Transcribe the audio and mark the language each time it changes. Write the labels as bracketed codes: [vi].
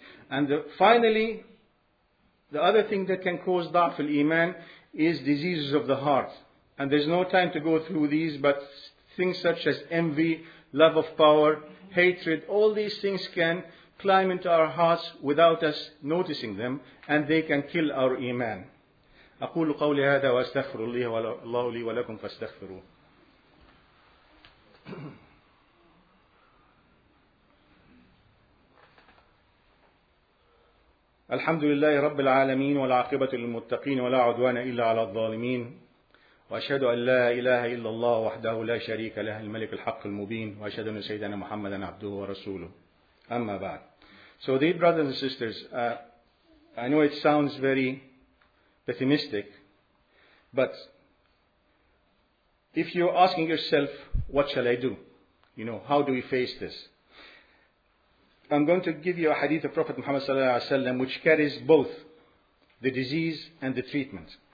[en] And finally, the other thing that can cause da'f al-iman is diseases of the heart. And there's no time to go through these, but things such as envy, love of power, hatred, all these things can climb into our hearts without us noticing them, and they can kill our iman. [ar] أقول قولي هذا وأستغفر الله لي ولكم فاستغفروه. الحمد لله رب العالمين والعاقبة للمتقين ولا عدوان إلا على الظالمين وأشهد أن لا إله إلا الله وحده لا شريك له الملك الحق المبين وأشهد أن سيدنا محمدا عبده ورسوله أما بعد. [en] So dear brothers and sisters, I know it sounds very pessimistic, but if you're asking yourself, what shall I do? You know, how do we face this? I'm going to give you a hadith of Prophet Muhammad sallallahu alaihi wasallam, which carries both the disease and the treatment.